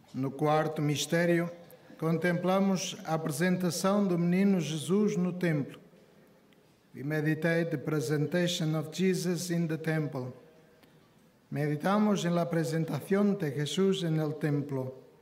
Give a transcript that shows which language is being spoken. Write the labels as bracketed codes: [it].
[pt] Quarto mistério, contemplamos a apresentação do menino Jesus no templo. [en] We meditate the presentation of Jesus in the temple. [es] Meditamos en la presentación de Jesús en el templo.